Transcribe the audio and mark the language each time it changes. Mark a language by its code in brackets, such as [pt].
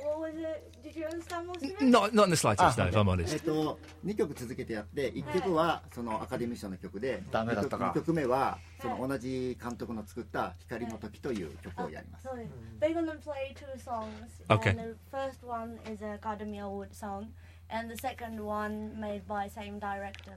[en] What was it? Did you understand what he not in the slightest, though, if I'm honest. [ja] 2曲続けてやって、1曲はそのアカデミー賞の曲で、ダメだったか。 2曲目はその同じ監督の作った光の時という曲をやります。 [en] They're gonna play two songs. Okay. And the first one is an Academy Award song, and the second one made by same director.